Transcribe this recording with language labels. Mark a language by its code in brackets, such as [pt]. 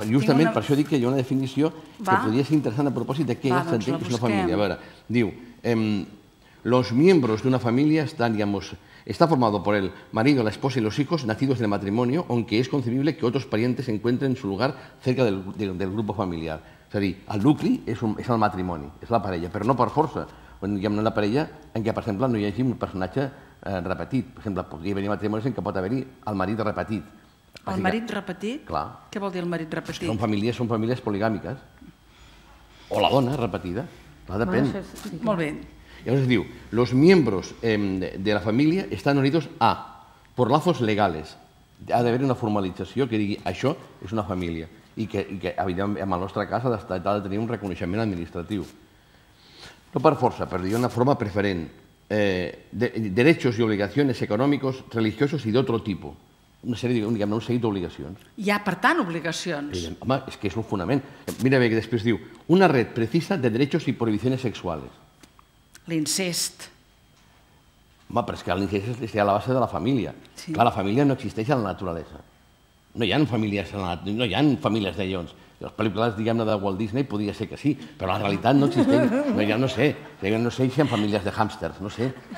[ca] Justament una... per això dic que hi ha una definició Va. Que podria ser interessant a propòsit de què s'entén doncs que és una família. A veure, diu, [es] los miembros de una familia están, digamos, está formado por el marido, la esposa y los hijos nacidos del matrimonio, aunque es concebible que otros parientes se encuentren en su lugar cerca del grupo familiar. [ca] És a dir, el nucli és el matrimoni, és la parella, però no per força. Hi ha una parella en què, per exemple, no hi hagi un personatge repetit. Per exemple, podria haver-hi matrimonis en què pot haver-hi el marit repetit. El marit repetit? Clar. Què vol dir el marit repetit? Són famílies, poligàmiques. O la dona repetida. Clar, depèn. Molt bé. Llavors diu, [es] los miembros de la familia están unidos a, por lazos legales, [ca] ha d'haver una formalització que digui això és una família i que evidentment en el nostre cas ha de tenir un reconeixement administratiu. No per força, però d'una forma preferent. [es] Derechos y obligaciones económicos, religiosos y de otro tipo. [ca] Una sèrie, diguem-ne, un seguit d'obligacions. Hi ha, per tant, obligacions. Diguem, home, és que és un fonament. Mira bé, que després diu, [es] una red precisa de derechos y prohibiciones sexuales. [ca] L'incest. Home, però és que l'incest és a la base de la família. Sí. Clar, la família no existeix a la naturalesa. No hi ha famílies, no hi ha famílies de lleons. Les pel·lícules, diguem-ne, de Walt Disney, podria ser que sí, però la realitat no existeix. No, ja no sé, ja no sé si hi ha famílies de hàmsters, no sé.